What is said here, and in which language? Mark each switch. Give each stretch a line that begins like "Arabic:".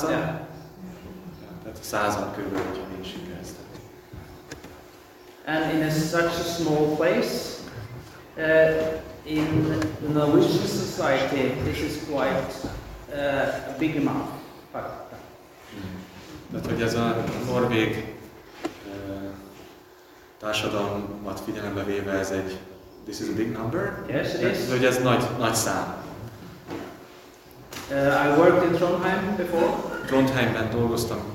Hungarian: Tehát 100-an körülbelül, hogyha nincs keresztelő.
English: And in a such a small place, in the Norwegian society, this is quite a big amount.
Hungarian: Tehát, hogy ez a norvég társadalmat figyelembe véve ez egy
English: this is a big number. Yes, it is.
Hungarian: Hogy ez nagy, nagy szám.
English: I worked in Trondheim before.
Hungarian: Trondheimben dolgoztam.